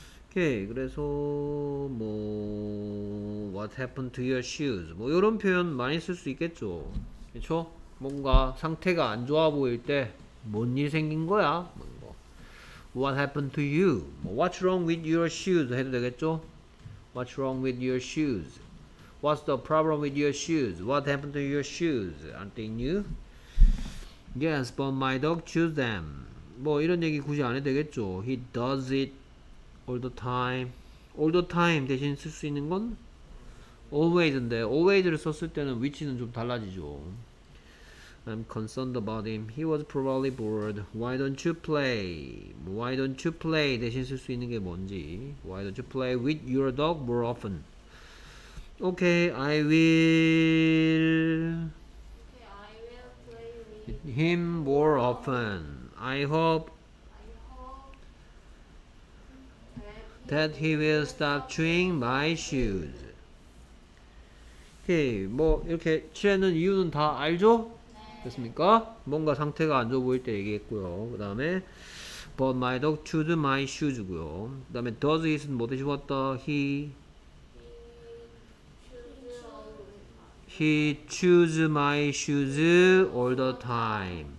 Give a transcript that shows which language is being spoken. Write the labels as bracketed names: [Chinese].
[English] Okay, [Korean] 그래서 뭐 [English] What happened to your shoes? [Korean] 뭐 이런 표현 많이 쓸 수 있겠죠. 그렇죠? 뭔가 상태가 안 좋아 보일 때 뭔 일 생긴 거야? [English] 뭐. What happened to you? 뭐, what's wrong with your shoes? [Korean] 해도 되겠죠? [English] What's wrong with your shoes? What's the problem with your shoes? What happened to your shoes? Aren't they new? Yes, but my dog chews them. [Korean] 뭐 이런 얘기 굳이 안 해도 되겠죠? [English] He does it all the time. [Korean] all the time 대신 쓸 수 있는 건 always인데 always를 썼을 때는 위치는 좀 달라지죠. [English] I'm concerned about him. He was probably bored. Why don't you play? Why don't you play [Korean] 대신 쓸 수 있는 게 뭔지. [English] Why don't you play with your dog more often? Okay, I will. Okay, I will play with him more often. I hope that he will stop chewing my shoes. [Korean] 오케이. 뭐 이렇게 칠해놓은 이유는 다 알죠? 네. 됐습니까? 뭔가 상태가 안 좋아 보일 때 얘기했고요. 그 다음에 [English] But my dog chews my shoes고요. [Korean] 그 다음에 [English] Does it [Korean] 뭐 대신 왔다? [English] He chews my shoes all the time.